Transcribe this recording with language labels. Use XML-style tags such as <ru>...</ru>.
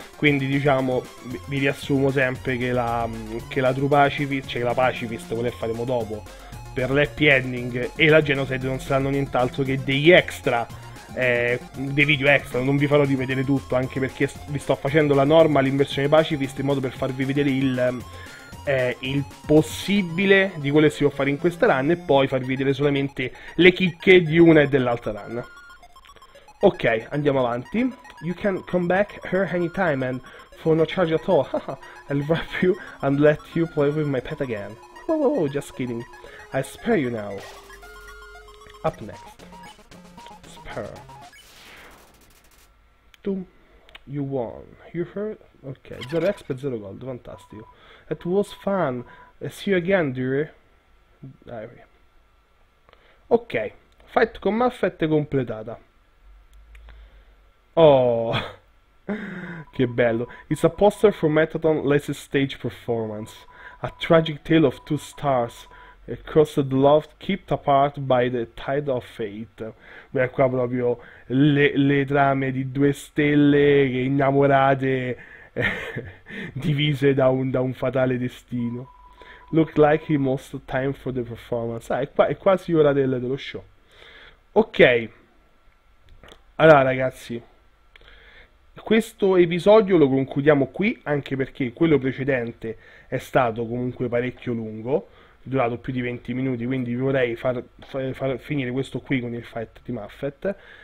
<it>Quindi diciamo, vi riassumo sempre che la True Pacifist, cioè la Pacifist, quella che faremo dopo, per l'Happy Ending e la Genocide non saranno nient'altro che degli extra, dei video extra. Non vi farò rivedere tutto, anche perché vi sto facendo la normal in versione Pacifist in modo per farvi vedere il possibile di quello che si può fare in questa run e poi farvi vedere solamente le chicche di una e dell'altra run. Ok, andiamo avanti.</it> <en>You can come back here anytime and for no charge at all. I'll wrap you and let you play with my pet again. Oh, just kidding. I spare you now. Up next. Spare. Doom. You won. You heard?</en> <it>Ok, 0 XP e 0 gold, fantastico.</it> <en>It was fun. See you again, dearie.</en> <it>Ok, fight con Muffet completata. Oh, che bello.</it> <en>It's a poster for Metaton Lace's stage performance. A tragic tale of two stars Crossed Love, Kept Apart by the Tide of Fate.</en> <it>Beh, qua proprio le trame di due stelle innamorate, divise da un fatale destino.</it> <en>Look like he most time for the performance.</en> <it>Ah, è quasi ora dello show. Ok, allora ragazzi, questo episodio lo concludiamo qui, anche perché quello precedente è stato comunque parecchio lungo, durato più di 20 minuti, quindi vorrei far finire questo qui con il fight di Muffet.</it>